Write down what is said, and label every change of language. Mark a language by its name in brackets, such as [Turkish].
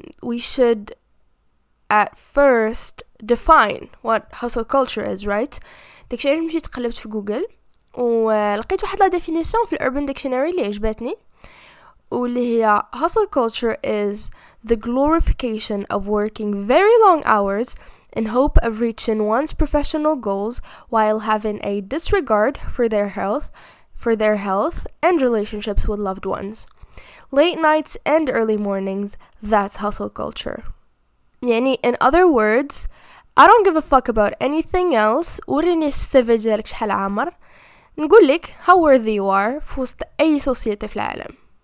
[English] we should at first define what hustle culture is right [Arabic] داكشي علاش مشيت قلبت في جوجل ولقيت واحد لا ديفينيسيون في الاربن ديكشنري اللي عجبتني واللي هي [English] hustle culture is the glorification of working very long hours in hope of reaching one's professional goals while having a disregard for their health, and relationships with loved ones. Late nights and early mornings, that's hustle culture. Yani, in other words, I don't give a fuck about anything else. [Arabic] وريني استفجرك شحال عمر نقول لك [English] how worthy you are [Arabic] في وسط اي سوسيتي في العالم.